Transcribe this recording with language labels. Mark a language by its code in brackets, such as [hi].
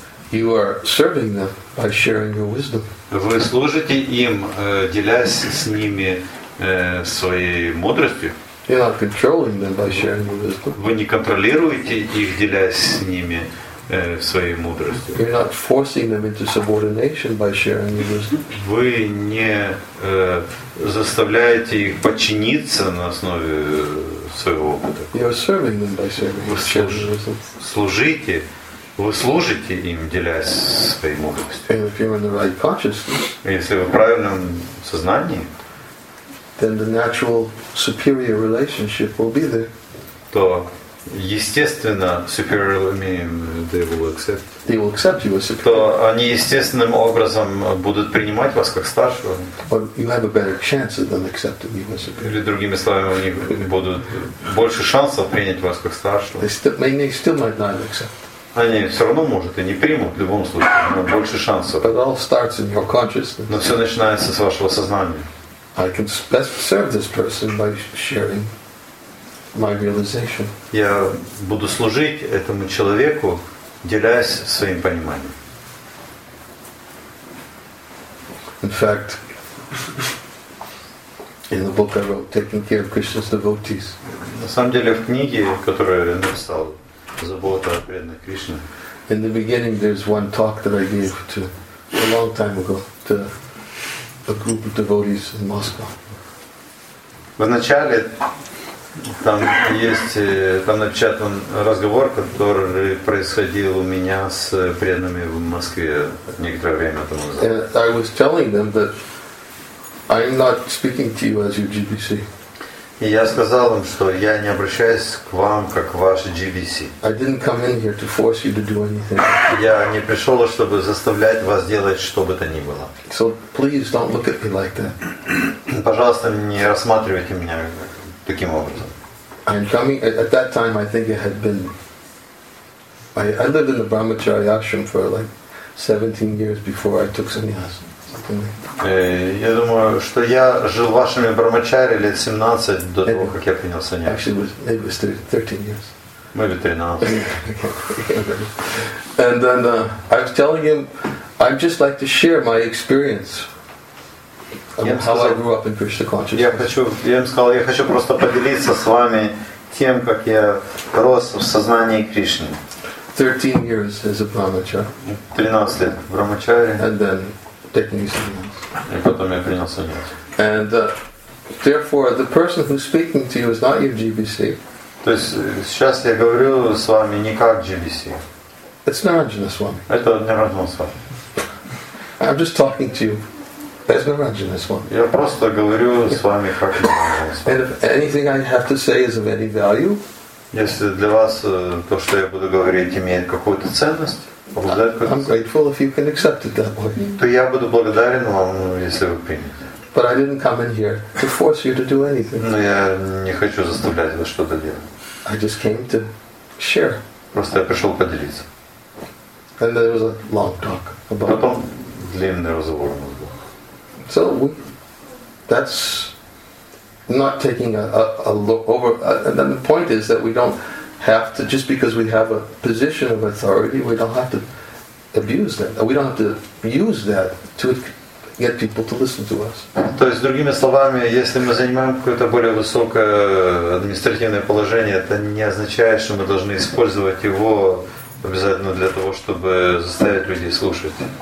[en] You are serving them by sharing your wisdom. [ru] Вы служите им, делясь с ними своей мудростью. [en] You're not controlling them by sharing your wisdom. [ru] Вы не контролируете их, делясь с ними своей мудростью. [en] You're not forcing them into subordination by sharing your wisdom. [ru] Вы не заставляете их подчиниться на основе своего опыта. [en] You're serving them by sharing your wisdom. [ru] Вы служите им, делясь своей мудростью. [en] And if you're in the right consciousness, [ru] если вы в правильном сознании, [en] then the natural superior relationship will be there. [ru] То естественно, [en] superior meaning they will accept. They will accept you as superior. [ru] То они естественным образом будут принимать вас как старшего. [en] Or you have a better chance than accepting you as superior. [ru] Или другими словами, у них будут больше шансов принять вас как старшего. [en] They still might not accept. [ru] Они все равно может и не примут в любом случае, но больше шансов. [en] But all starts in your consciousness. [ru] Но все начинается с вашего сознания. [en] I can best serve this person by sharing my realization. [ru] Я буду служить этому человеку, делясь своим пониманием. [en] In fact, in the book I wrote, Taking Care of Krishna's Devotees. [ru] На самом деле, в книге, которую я написал, Забота о преданных Кришне. [en] In the beginning, there's one talk that I gave to a long time ago to a group of devotees in Moscow. [ru] В начале там напечатан разговор, который происходил у меня с преданными в Москве некоторое время тому назад. [en] And I was telling them that I'm not speaking to you as your GBC. [ru] И я сказал им, что я не обращаюсь к вам как ваш GBC. [en] I didn't come in here to force you to do anything. [ru] Я не пришел, чтобы заставлять вас делать что бы то ни было. [en] So please don't look at me like that. [ru] Пожалуйста, не рассматривайте меня таким образом. [en] I'm coming at that time I think it had been I lived in the Brahmachari ashram for like 17 years before I took sannyas. [ru] Я думаю, что я жил в вашем брамачаре лет 17 до того, как я принял саньяс. [en] Actually, maybe it was 13 years. Maybe 13. And then I was telling him, I'd just like to share my experience. How I grew up in Krishna consciousness. [ru] Я ему сказал, я хочу просто поделиться с вами тем, как я рос в сознании Кришны. [en] 13 years as a brahmachari. [ru] 13 лет в брамачаре. [en] And then taking sannyas. And therefore, the person who's speaking to you is not your GBC. [ru] То есть сейчас я говорю с вами не как GBC. [en] It's Narayana Swami. [ru] Это Narayana Swami. [en] I'm just talking to you as Narayana Swami. [ru] Я просто говорю с вами как Narayana Swami. [en] And if anything I have to say is of any value, [ru] если для вас то, что я буду говорить, имеет какую-то ценность, [en] I'm grateful if you can accept it that way. [ru] То я буду благодарен вам, если вы примете. [en] But I didn't come in here to force you to do anything. [ru] Но я не хочу заставлять вас что-то делать. [en] I just came to share. [ru] Просто я пришел поделиться. [en] And there was a long talk about. [ru] Потом длинный разговор у нас был. [en] So we, that's not taking a look over. And then the point is that we don't have to, just because we have a position of authority, we don't have to abuse that. We don't have to use that to get people to listen to us. [ru] То есть, другими словами, если мы занимаем какое-то более высокое административное положение, это не означает, что мы должны использовать его обязательно для того, чтобы заставить людей слушать.